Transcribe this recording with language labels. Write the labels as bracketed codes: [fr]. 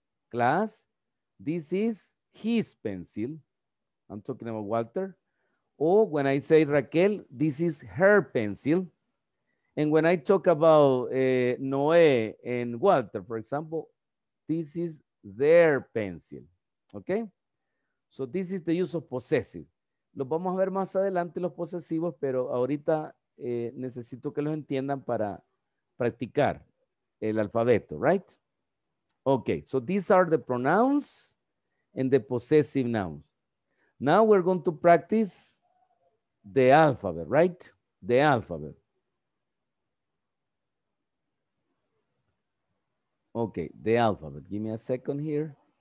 [en] Class, this is his pencil. I'm talking about Walter. Or when I say Raquel, this is her pencil. And when I talk about Noé and Walter, for example, this is their pencil. Okay? So this is the use of possessive. [es] Los vamos a ver más adelante los posesivos, pero ahorita necesito que los entiendan para practicar el alfabeto, right? [en] Okay, so these are the pronouns and the possessive nouns. Now we're going to practice the alphabet, right? The alphabet. Okay, the alphabet. Give me a second here.